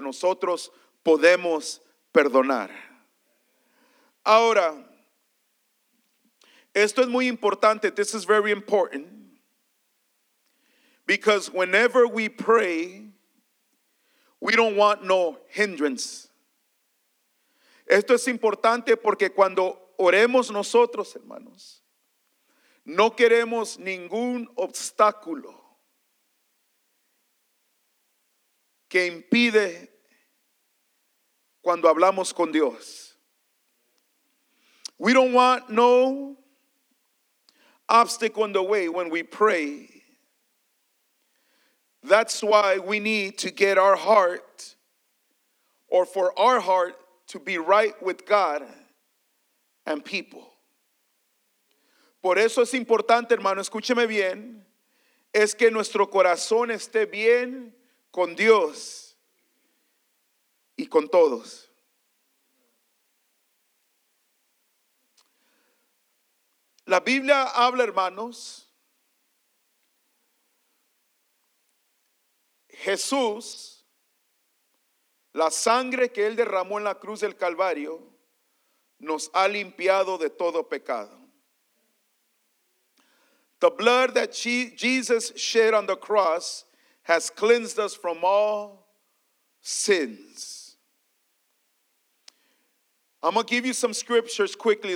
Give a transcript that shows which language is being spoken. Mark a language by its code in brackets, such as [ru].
[es] Nosotros podemos perdonar. Ahora, esto es muy importante. [en] This is very important. Because whenever we pray, we don't want no hindrance. [es] Esto es importante porque cuando oremos nosotros, hermanos, no queremos ningún obstáculo que impide cuando hablamos con Dios. [en] We don't want no obstacle in the way when we pray. That's why we need to get our heart, or for our heart to be right with God and people. [es] Por eso es importante, hermano, escúcheme bien, es que nuestro corazón esté bien con Dios y con todos. La Biblia habla, hermanos, Jesús, la sangre que Él derramó en la cruz del Calvario, nos ha limpiado de todo pecado. [en] The blood that Jesus shed on the cross has cleansed us from all sins. I'm going to give you some scriptures quickly.